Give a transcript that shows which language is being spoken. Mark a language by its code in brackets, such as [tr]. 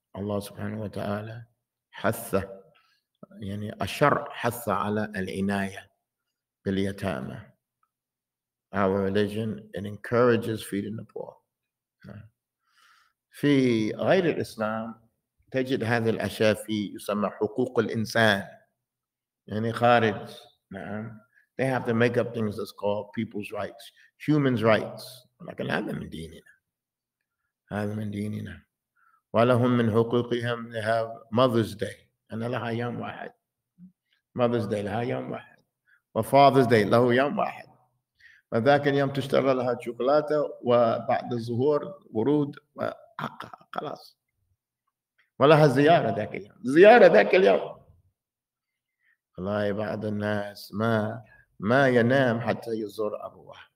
[ar] الله سبحانه وتعالى حث، يعني الشرع حث على العناية باليتامى. [en] Our religion it encourages feeding the poor. [ar] في غير الإسلام تجد هذه الأشياء في يسمى حقوق الإنسان، يعني خارج. نعم. [en] They have to make up things that's called people's rights, humans' rights. [ar] ولكن هذا من ديننا. هذا من ديننا. ولهم من حقوقهم [en] they have Mother's Day. [ar] أنا لها يوم واحد. Mother's Day لها يوم واحد. وFather's Day له يوم واحد. وذاك اليوم تشتغل لها شوكولاتة وبعد الظهور ورود وحقها خلاص. ولها زيارة ذاك اليوم. زيارة ذاك اليوم. والله بعض الناس ما ينام حتى يزور أبوه.